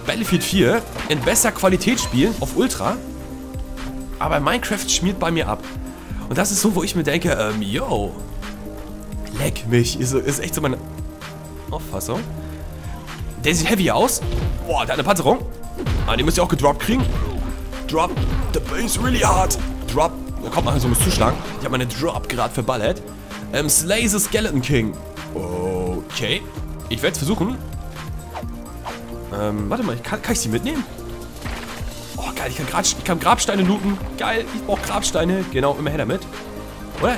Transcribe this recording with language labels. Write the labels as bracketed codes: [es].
[de] Battlefield 4 in besser Qualität spielen, auf Ultra. Aber Minecraft schmiert bei mir ab. Und das ist so, wo ich mir denke, yo... Leck mich, ist echt so meine Auffassung. Der sieht heavy aus. Boah, der hat eine Panzerung. Ah, den müsst ihr auch gedroppt kriegen. [en] Drop the base really hard. Drop. [de] Da kommt man so ein Zuschlag. Ich habe meine Drop gerade verballert. [en] Slay the Skeleton King. [de] Okay. Ich werde es versuchen. Warte mal, kann ich sie mitnehmen? Oh, geil, ich kann Grabsteine looten. Geil, ich brauche Grabsteine. Genau, immer her damit. Oder?